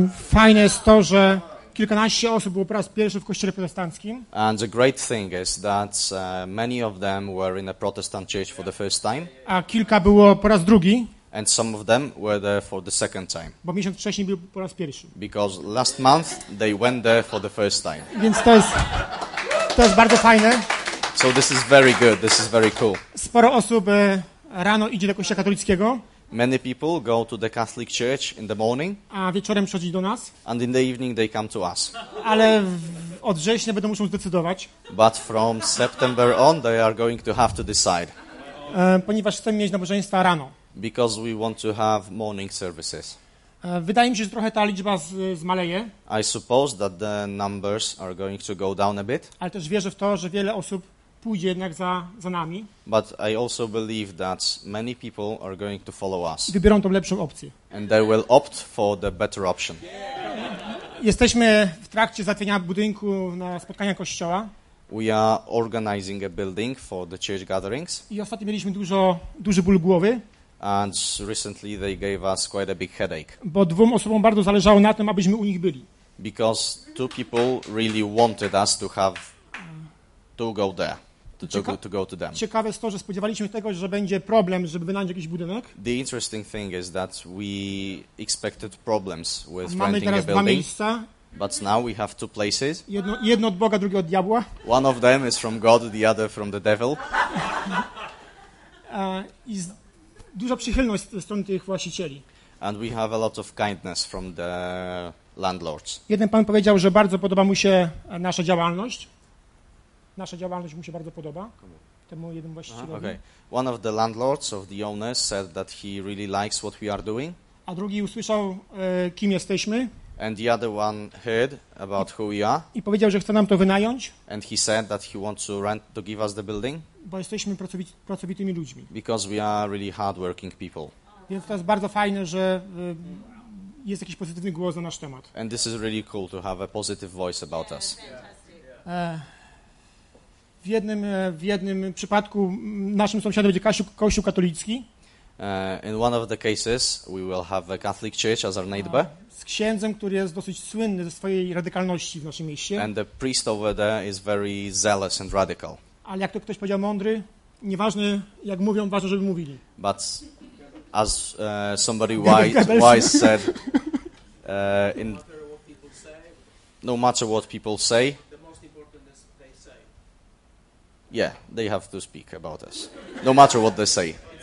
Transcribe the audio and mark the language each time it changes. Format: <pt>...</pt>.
<pl>Fajne jest to, że kilkanaście osób było po raz pierwszy w kościele protestanckim.</pl> <en>And the great thing is that many of them were in a Protestant church for the first time.</en> <pl>A kilka było po raz drugi.</pl> <en>And some of them were there for the second time.</en> <pl>Bo miesiąc wcześniej był po raz pierwszy.</pl> <en>Because last month they went there for the first time.</en> <pl>Więc to jest bardzo fajne.</pl> <en>So this is very good. This is very cool.</en> <pl>Sporo osób rano idzie do kościoła katolickiego.</pl> <en>Many people go to the Catholic church in the morning.</en> <pl>A wieczorem przychodzi do nas.</pl> <en>And in the evening they come to us.</en> <pl>Ale od września będą musieli zdecydować.</pl> <en>But from September on they are going to have to decide.</en> <pl>Ponieważ chcemy mieć nabożeństwa rano.</pl> <en>Because we want to have morning services.</en> <pl>Wydaje mi się, że trochę ta liczba zmaleje.</pl> <en>I suppose that the numbers are going to go down a bit.</en> <pl>Ale też wierzę w to, że wiele osób pójdzie jednak za nami.</pl> <en>But I also believe that many people are going to follow us.</en> <pl>Wybiorą tą lepszą opcję.</pl> <en>And they will opt for the better option.</en> <pl>Jesteśmy w trakcie załatwienia budynku na spotkania kościoła.</pl> <en>We are organizing a building for the church gatherings.</en> <pl>I ostatnio mieliśmy duży ból głowy.</pl> <en>And recently they gave us quite a big headache.</en> <pl>Bo dwóm osobom bardzo zależało na tym, abyśmy u nich byli.</pl> <en>Because two people really wanted us to have to go there. To go to them.</en> <pl>Ciekawe jest to, że spodziewaliśmy tego, że będzie problem, żeby wynająć jakiś budynek.</pl> <en>The interesting thing is that we expected problems with</en> <pl>mamy</pl> <en>renting a building.</en> <pl>Mamy teraz dwa miejsca.</pl> <en>But now we have two places.</en> <pl>Jedno od Boga, drugie od diabła.</pl> <en>One of them is from God, the other from the devil.</en> <pl>Duża przychylność ze strony tych właścicieli.</pl> <en>And we have a lot of kindness from the landlords.</en> <pl>Jeden pan powiedział, że bardzo podoba mu się nasza działalność. Nasza działalność mu się bardzo podoba. Temu jednym właścicielowi.</pl> <en>Okay. One of the landlords of the owners said that he really likes what we are doing.</en> <pl>A drugi usłyszał, kim jesteśmy.</pl> <en>And the other one heard about who we are.</en> <pl>I powiedział, że chce nam to wynająć.</pl> <en>And he said that he wants to rent to give us the building.</en> <pl>Bo jesteśmy pracowitymi ludźmi.</pl> <en>Because we are really hardworking people.</en> <pl>Więc to jest bardzo fajne, że jest jakiś pozytywny głos na nasz temat.</pl> <en>And this is really cool to have a positive voice about us.</en> <pl>W jednym przypadku naszym sąsiadem będzie kościół katolicki.</pl> <en>In one of the cases we will have a Catholic church as our neighbor.</en> <pl>Z księdzem, który jest dosyć słynny ze swojej radykalności w naszym mieście.</pl> <en>And the priest over there is very zealous and radical.</en> <pl>Ale jak to ktoś powiedział mądry, nieważne jak mówią, ważne żeby mówili.</pl> <en>But as somebody wise said, no matter what people say, yeah, they have to speak about us. No matter what they say.</en>